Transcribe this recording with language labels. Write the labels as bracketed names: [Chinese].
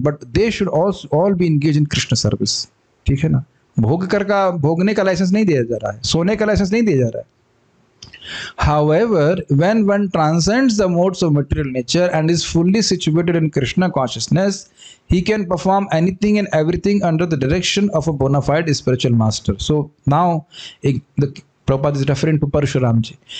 [English] But they should also all be engaged in Krishna service. [Hindi] ठीक है ना? भोग करके भोगने का लाइसेंस नहीं दिया जा रहा है, सोने का लाइसेंस नहीं दिया जा रहा है. [English] However, when one transcends the modes of material nature and is fully situated in Krishna consciousness, he can perform anything and everything under the direction of a bona fide spiritual master. So now, the Prabhupada is referring to Parashuramji.